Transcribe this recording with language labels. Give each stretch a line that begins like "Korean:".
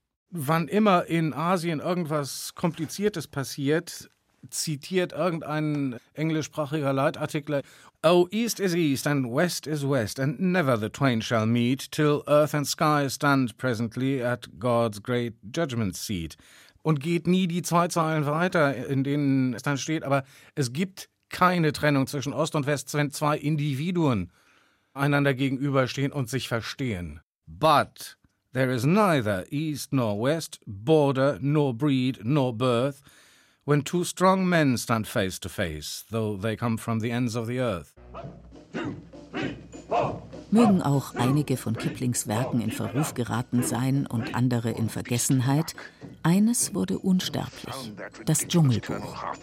German: Wann immer in Asien irgendwas Kompliziertes passiert, zitiert irgendein englischsprachiger Leitartikler:
English: Oh, East is East and West is West and never the twain shall meet till earth and sky stand presently at God's great judgment seat.
German: Und geht nie die zwei Zeilen weiter, in denen es dann steht, aber es gibt keine Trennung zwischen Ost und West, wenn zwei Individuen einander gegenüberstehen und sich verstehen.
English: But there is neither east nor west, border nor breed nor birth, when two strong men stand face to face, though they come from the ends of the earth.
German: Mögen auch einige von Kiplings Werken in Verruf geraten sein und andere in Vergessenheit, eines wurde unsterblich: das Dschungelbuch.